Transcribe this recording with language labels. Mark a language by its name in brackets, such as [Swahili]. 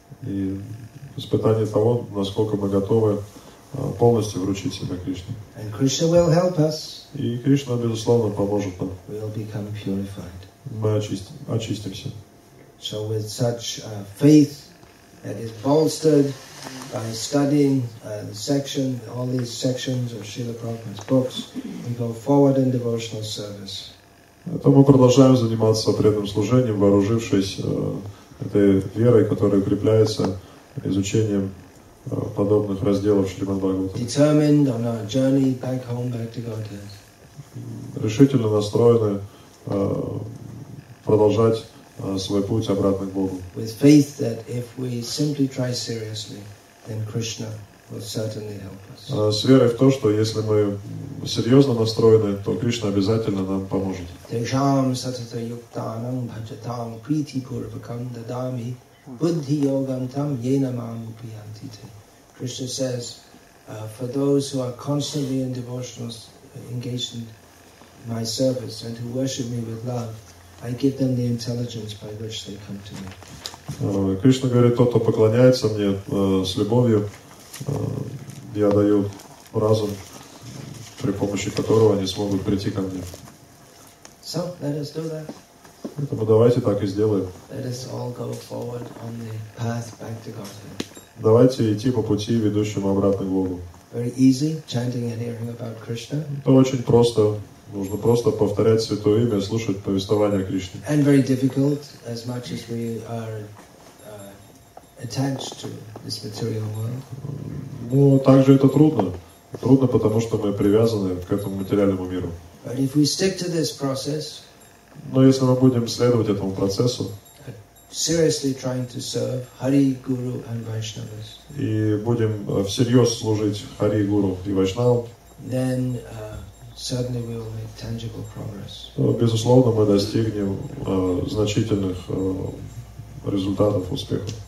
[Russian] И испытание того, насколько мы готовы полностью вручить себя Кришне. [English] And Krishna will help us. [Russian] И Кришна, безусловно, поможет нам. [English] We'll become purified. [Russian] Мы очистимся. [English] So with such faith that is bolstered by studying all these sections of Srila Prabhupada's books, we go forward in devotional service. [Russian] Это мы продолжаем заниматься преданным служением, вооружившись этой верой, которая укрепляется изучением подобных разделов Шримад Бхагаватам. [English] Determined on our journey back home, back to Godhead. [Russian] Решительно настроены продолжать свой путь обратно к Богу. [English] With faith that if we simply try seriously, then Krishna will certainly help us. [Russian] С верой в то, что если мы серьезно настроены, то Кришна обязательно нам поможет. [Sanskrit] Дешам сатата юктанам бхаджатам прити пурвакам дадами Buddhi yogam tam yena mam upiyanti te. [English] Krishna says, for those who are constantly in devotional engaged in my service and who worship me with love, I give them the intelligence by which they come to me. [Russian] Krishna говорит, тот, кто поклоняется мне с любовью, я даю разум, при помощи которого они смогут прийти ко мне. [English] So, let us do that. [Russian] Поэтому давайте так и сделаем. [English] Let us all go forward on the path back to Godhead. [Russian] Давайте идти по пути, ведущему обратно к Богу. [English] Very easy, chanting and hearing about Krishna. [Russian] Это очень просто. Нужно просто повторять святое имя, слушать повествование о Кришне. [English] And very difficult, as much as we are attached to this material world. [Russian] Ну, также это трудно. Трудно, потому что мы привязаны к этому материальному миру. [English] But if we stick to this process, [Russian] но если мы будем следовать этому процессу [English] seriously trying to serve Hari, Guru and Vaishnavas, [Russian] и будем всерьез служить Хари, Гуру и Вайшнавам, [English] then certainly we will make tangible progress. [Russian] Безусловно, мы достигнем значительных результатов успеха.